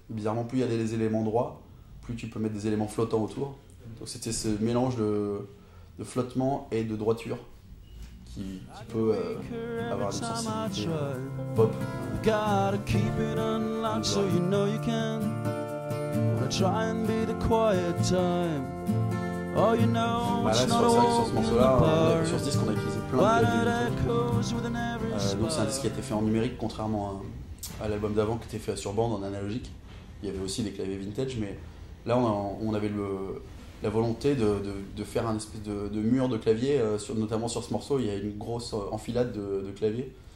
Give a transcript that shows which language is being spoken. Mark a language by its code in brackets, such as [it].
[fr] Bizarrement, plus il y a des éléments droits, plus tu peux mettre des éléments flottants autour. Donc c'était ce mélange de flottement et de droiture. Qui peut avoir une sensibilité pop. [en] Gotta keep it unlocked so you know you can. Wanna try and be the quiet time. Oh, you know, it's not a walk in the park. [fr] Sur ce disque, on a utilisé plein de plugins. Donc, c'est un disque qui a été fait en numérique, contrairement à l'album d'avant qui était fait sur bande en analogique. Il y avait aussi des claviers vintage, mais là, on avait la volonté de faire un espèce de mur de clavier, notamment sur ce morceau, il y a une grosse enfilade de claviers.